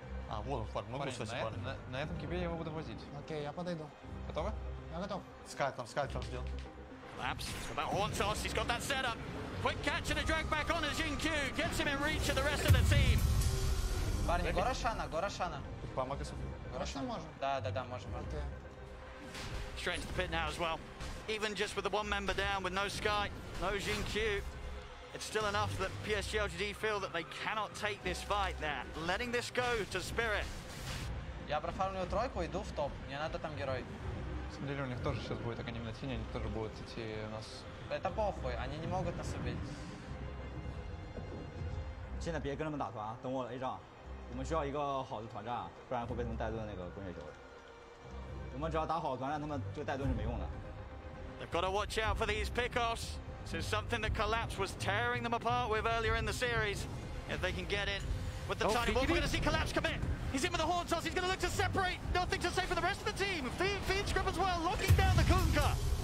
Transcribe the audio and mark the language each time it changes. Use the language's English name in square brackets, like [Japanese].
[Russian] А, вот он, парень, могу, кстати, на этом кипе я его буду возить. Окей, я подойду. Готовы? Я готов. Скайт там сделал. [English] Collapse, it's about Horn Toss, he's got that setup. Quick catch and a drag back on as Jin Q gets him in reach of the rest of the team. [Russian] Парни, Горошана. Помогай, Софи. Горошана можем? Да, можем. Окей. [English] Straight into the pit now as well. Even just with the one member down, with no Sky, no Jin Q. It's still enough that PSG LGD feel that they cannot take this fight there. Letting this go to Spirit. [Russian] Я профармлю тройку, иду в топ. Мне надо там герой. На самом деле у них тоже сейчас будет аканим на тени, они тоже будут идти у нас. Это похуй, они не могут нас убить. [Chinese] 现在别跟他们打团，等我了一仗。我们需要一个好的团战，不然会被他们带盾那个工业酒。我们只要打好团战，他们这个带盾是没用的。 [English] They've got to watch out for these pickoffs. This is something that Collapse was tearing them apart with earlier in the series. If they can get in with the Tiny Wolf, we're going to see Collapse commit. He's in with the Horn Toss. He's going to look to separate. Nothing to say for the rest of the team. Fiend's grip as well, locking down the Kunkka.